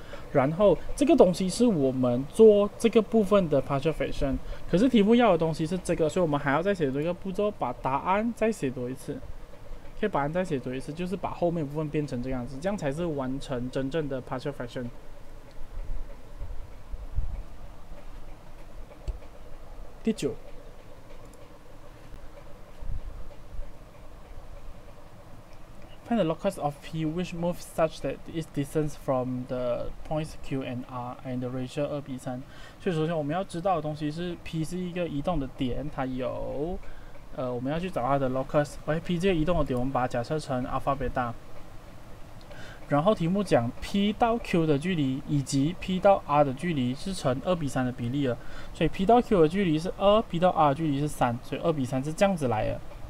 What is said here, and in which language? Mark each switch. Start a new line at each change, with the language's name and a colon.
Chinese: 然后这个东西是我们做这个部分的 partial fraction， 可是题目要的东西是这个，所以我们还要再写多一个步骤，把答案再写多一次，可以把答案再写多一次，就是把后面部分变成这样子，这样才是完成真正的 partial fraction。
English: 第九， Find the locus of P which moves such that it distance from the points Q and R and the ratio 2:3。
Chinese: 所以首先我们要知道的东西是 P 是一个移动的点，它有我们要去找它的 locus。 P 这个移动的点，我们把它假设成 alpha beta。然后题目讲 P 到 Q 的距离以及 P 到 R 的距离是成2:3的比例了，所以 P 到 Q 的距离是2 ，P 到 R 的距离是3，所以2:3是这样子来的。